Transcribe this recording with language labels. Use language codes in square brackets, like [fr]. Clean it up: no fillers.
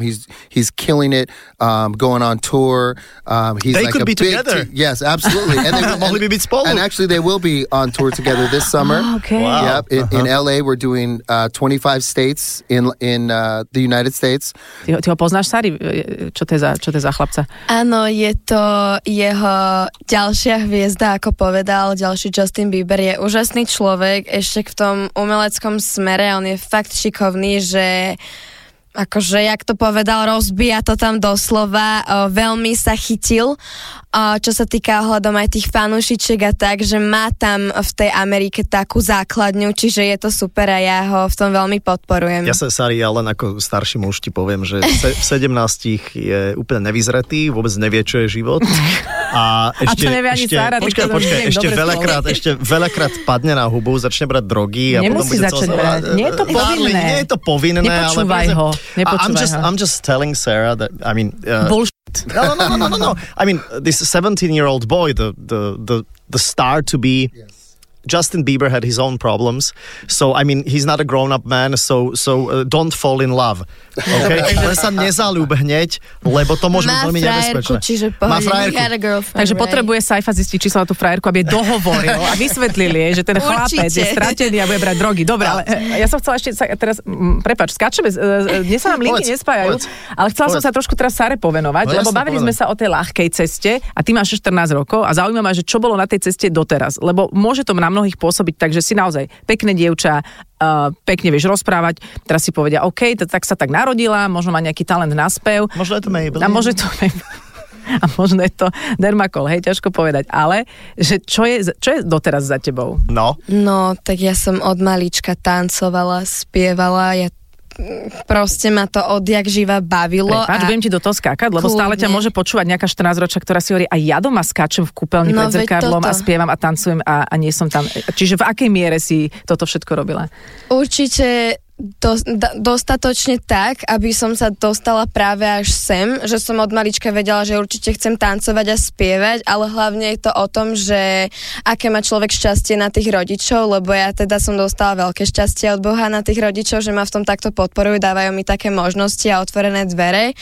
[en] He's killing it. Going on tour. He's they like could a be big together. Yes, absolutely. And actually, they will be on tour together this summer. Okay. Wow. Yep. In LA, we're doing 25 states in the United States. [sk] Ty ho poznáš, Sari? Čo to je za chlapca? Áno, je to jeho ďalšia hviezda, ako povedal ďalší Justin Bieber. Je úžasný človek, ešte v tom umeleckom smere. On je fakt šikovný, že... akože, jak to povedal, rozbíja to tam doslova, veľmi sa chytil, čo sa týka ohľadom aj tých fanúšičiek a tak, že má tam v tej Amerike takú základňu, čiže je to super a ja ho v tom veľmi podporujem. Ja sa, Sari, ja len ako starší muž ti poviem, že v 17 je úplne nevyzretý, vôbec nevie, čo je život. Ešte veľakrát padne na hubu, začne brať drogy. A nemusí potom bude začať celo, brať, nie je to povinné. Nie je to povinné. Nepočúvaj ale, ho. [en] I'm just telling Sarah that I mean bullshit. No. I mean this 17-year-old boy, the star to be. Yes. Justin Bieber had his own problems, so I mean he's not a grown-up man. So don't fall in love. Okay. [sk] Ale sa nezalúb hneď, lebo to môže byť veľmi nebezpečné. Má frajerku. Takže potrebuje Saifa zistiť, či sa na tú frajerku, aby dohovoril a vysvetlil jej, že ten chlapec je stratený a bude brať drogy. Dobre, ale ja som chcela ešte teraz, prepáč, skáčeme, dnes sa nám linky nespájajú, ale chcela som sa trošku teraz Sáre povenovať, lebo bavili sme sa o tej ľahkej ceste a ty máš 14 rokov a zaujíma ma, že čo bolo na tej ceste doteraz, lebo môže to na mnohých pôsobiť, takže si naozaj pekné dievča. Pekne vieš rozprávať, teraz si povedia OK, tak sa tak narodila, možno má nejaký talent na spev. Možno je to Maybelline. A možno je to Dermacol, hej, ťažko povedať. Ale že čo je doteraz za tebou? No. No, tak ja som od malička tancovala, spievala, ja proste ma to odjak živa bavilo. Prepáč, budem ti do toho skákať, lebo kľudne. Stále ťa môže počúvať nejaká 14-ročka, ktorá si hovorí, a ja doma skáčem v kúpeľni pred zrkadlom a spievam a tancujem a nie som tam. Čiže v akej miere si toto všetko robila? Určite dostatočne tak, aby som sa dostala práve až sem, že som od malička vedela, že určite chcem tancovať a spievať, ale hlavne je to o tom, že aké má človek šťastie na tých rodičov, lebo ja teda som dostala veľké šťastie od Boha na tých rodičov, že ma v tom takto podporujú, dávajú mi také možnosti a otvorené dvere.